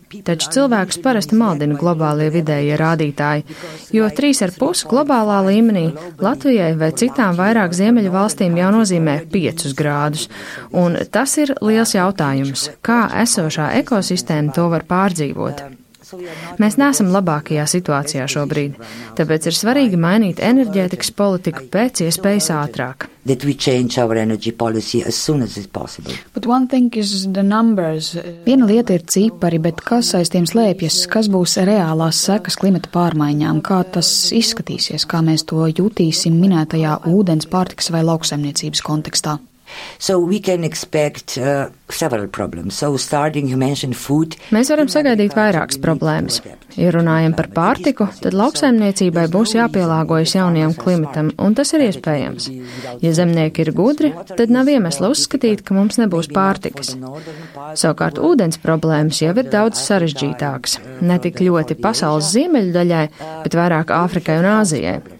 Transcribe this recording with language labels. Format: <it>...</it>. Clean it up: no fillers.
<lv>Taču cilvēks parasti maldina globālie vidējie rādītāji, jo 3,5 globālā līmenī Latvijai vai citām vairāk ziemeļu valstīm jau nozīmē 5 grādus. Un tas ir liels jautājums, kā esošā ekosistēma to var pārdzīvot. Mēs neesam labākajā situācijā šobrīd, tāpēc ir svarīgi mainīt enerģētikas politiku pēc iespējas ātrāk.</lv> <en>That we change our energy policy as soon as it's possible. But one thing is the numbers.</en> <lv>Viena lieta ir cipari, bet kas aiz tiem slēpjas, kas būs reālās sekas klimata pārmaiņām, kā tas izskatīsies, kā mēs to jutīsim minētajā ūdens, pārtikas vai lauksaimniecības kontekstā.</lv> <en>So we can expect several problems. So starting you mentioned food.</en> <lv>Mēs varam sagaidīt vairākas problēmas. Ja runājam par pārtiku, tad lauksaimniecībai būs jāpielāgojas jaunajam klimatam, un tas ir iespējams. Ja zemnieki ir gudri, tad nav iemesla uzskatīt, ka mums nebūs pārtikas. Savukārt ūdens problēmas jau ir daudz sarežģītākas, ne tik ļoti pasaules ziemeļdaļai, bet vairāk Āfrikai un Āzijai.</lv>